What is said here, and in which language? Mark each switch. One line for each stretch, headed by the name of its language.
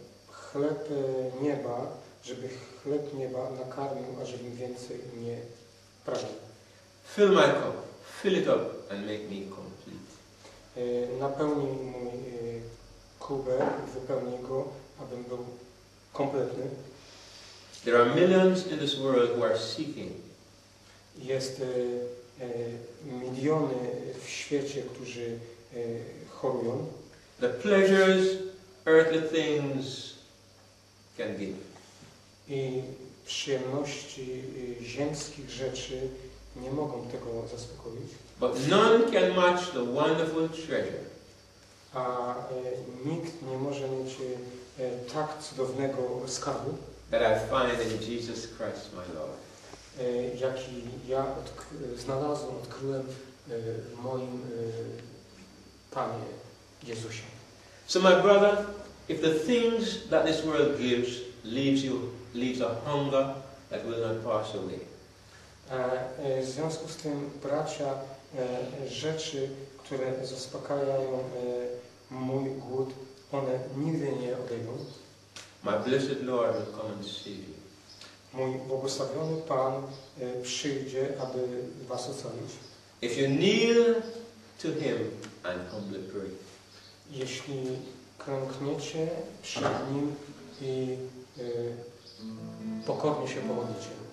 Polish: Chleb nieba, żeby chleb nieba nakarmił, ażebym więcej nie pragnął.
English: Fill my cup, fill it up and make me complete.
Polish: Napełnij mój kubek, wypełnij go, abym był kompletny.
English: There are millions in this world who are seeking.
Polish: Jest miliony w świecie, którzy chorują.
English: The pleasures earthly things can give.
Polish: I przyjemności ziemskich rzeczy nie mogą tego zaspokoić.
English: But none can match the wonderful treasure.
Polish: A nikt nie może mieć tak cudownego skarbu.
English: That I find in Jesus Christ, my Lord.
Polish: Jaki ja odkryłem w moim Panie Jezusie.
English: So my brother, if the things that this world gives leaves a hunger that will not pass away.
Polish: W związku z tym, bracia, rzeczy, które zaspokajają mój głód, one nigdy nie odejdą.
English: My blessed Lord will come and see you.
Polish: Mój błogosławiony Pan przyjdzie, aby was ocalić.
English: If you kneel to him and humbly pray.
Polish: Jeśli klękniecie przed nim i pokornie się pomodlicie.